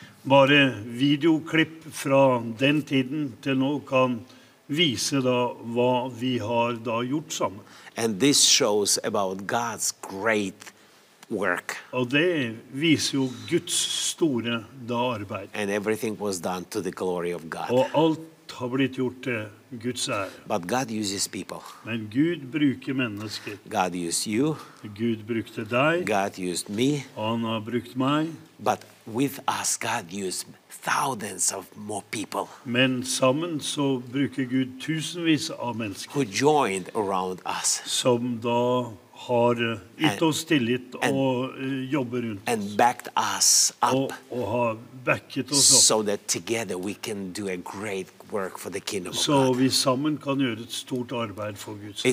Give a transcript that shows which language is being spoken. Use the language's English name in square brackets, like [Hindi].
[Norwegian] Bare videoklipp fra den tiden til nå kan vise da hva vi har da gjort sammen. [English] And this shows about God's great work. [Norwegian] Og det viser jo Guds store da arbeid. [English] And everything was done to the glory of God. [Norwegian] Og alt har blitt gjort til Guds ære. [English] But God uses people. [Norwegian] Men Gud bruker mennesker. [English] God used you. [Norwegian] Gud brukte deg. [English] God used me. [Norwegian] Han har brukt meg. [English] But with us, God used thousands of more people. [Norwegian] Men sammen så bruker Gud tusenvis av mennesker. [English] Who joined around us. [Norwegian] Som da har gitt oss tillit og jobber rundt oss. [English] And backed us up. [Norwegian] Og har backet oss opp. [English] So that together we can do a great work for the kingdom of God. [Norwegian] Så vi sammen kan gjøre et stort arbeid for Guds rike.